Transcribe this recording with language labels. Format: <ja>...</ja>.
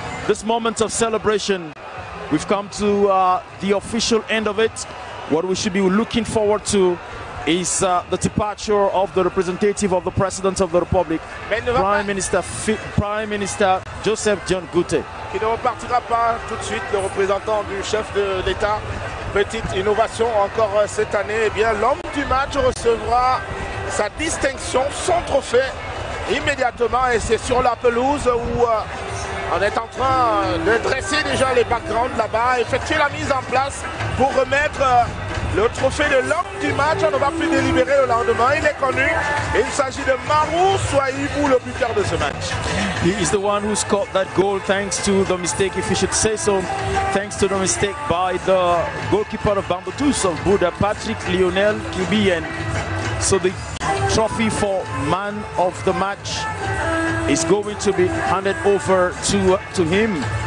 <en>This moment of celebration, we've come to the official end of it. What we should be looking forward to is the departure of the representative of the President of the Republic, Prime Minister Joseph John Goute.</en> <fr>Qui ne repartira pas tout de suite, le représentant du chef de l'État. Petite innovation encore cette année. Eh bien, l'homme du match recevra sa distinction, son trophée, immédiatement. Et c'est sur la pelouse où on est en train de dresser déjà les backgrounds là-bas, effectuer la mise en place pour remettre le trophée de l'homme du match. On ne va plus délibérer le lendemain. Il est connu. Il s'agit de Maru Sahuyaibu, le buteur de ce match.</fr> <en>He is the one who scored that goal thanks to the mistake, if you should say so, thanks to the mistake by the goalkeeper of Bambutos of Bouda, Patrick Lionel Kibien. So the trophy for man of the match is going to be handed over to him.</en>